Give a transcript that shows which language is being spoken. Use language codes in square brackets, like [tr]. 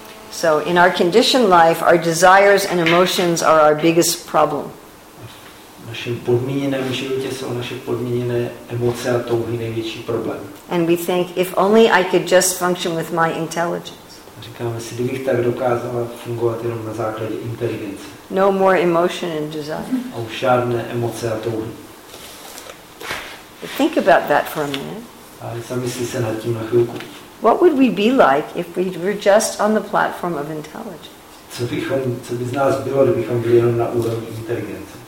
[en] So in our conditioned life, our desires and emotions are our biggest problem. [cs] Našem podmíněném životě jsou naše podmíněné emoce a touhy největší problém. [en] And we think, if only I could just function with my intelligence. [cs] A říkáme si, kdybych tak dokázala fungovat jenom na základě inteligence. [en] No more emotion and desire. [cs] A už žádné emoce a touhy. [en] But think about that for a minute. [cs] A zamysli se nad tím na chvilku. [en] What would we be like if we were just on the platform of intelligence? [cs] Co by z nás bylo, kdybychom byli jenom na úrovni inteligence?